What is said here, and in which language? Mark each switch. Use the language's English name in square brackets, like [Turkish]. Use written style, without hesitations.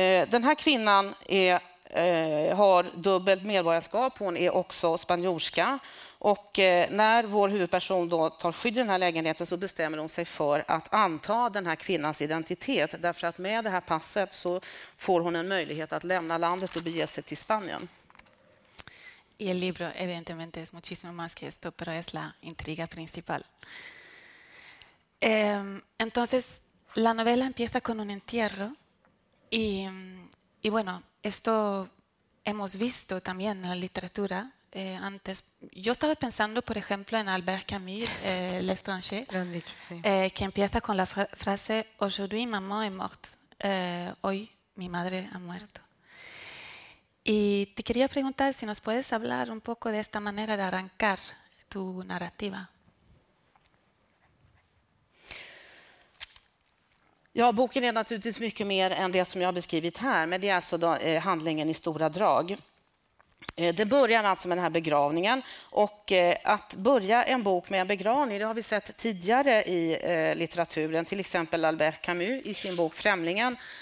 [Swedish] Den här kvinnan har dubbelt medborgarskap, hon är också spanjorska. Och när vår huvudperson då tar skydd i den här lägenheten så bestämmer hon sig för att anta den här kvinnans identitet. Därför att med det här passet så får hon en möjlighet att lämna landet och bege sig till Spanien. [Spanish] I el libro evidentemente es muchísimo más que esto, pero es la intriga principal. Entonces, la novela empieza con un entierro y bueno, esto hemos visto también en la literatura. Antes, yo estaba pensando, por ejemplo, en Albert Camus, L'Estranger, que empieza con la frase [French] «Aujourd'hui, maman est morte». [Spanish] Hoy, mi madre ha muerto. Y te quería preguntar si nos puedes hablar un poco de esta manera de arrancar tu narrativa. [Swedish] Ja, boken är naturligtvis mycket mer än det som jag har beskrivit här, men det är alltså då, handlingen i stora drag. Det börjar alltså med den här begravningen och att börja en bok med en begravning, det har vi sett tidigare i litteraturen, till exempel Albert Camus i sin bok Främlingen.